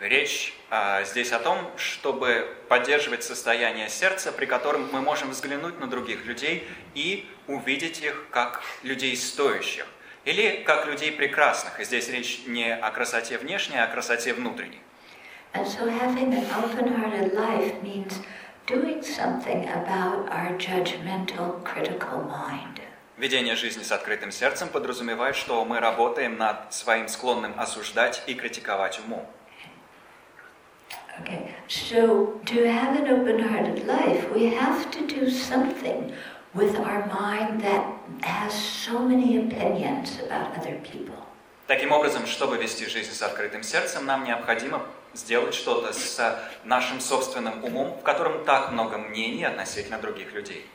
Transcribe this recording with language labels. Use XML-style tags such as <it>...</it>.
<ru>Речь здесь о том, чтобы поддерживать состояние сердца, при котором мы можем взглянуть на других людей и увидеть их как людей стоящих или как людей прекрасных. И здесь речь не о красоте внешней, а о красоте внутренней.</ru> <en>And so having an open-hearted life means doing something about our judgmental, critical mind.</en> <ru>Ведение жизни с открытым сердцем подразумевает, что мы работаем над своим склонным осуждать и критиковать умом.</ru> <en>Okay, so to have an open-hearted life, we have to do something with our mind that has so many opinions about other people.</en> <ru>Таким образом, чтобы вести жизнь с открытым сердцем, нам необходимо сделать что-то с нашим собственным умом, в котором так много мнений относительно других людей.</ru>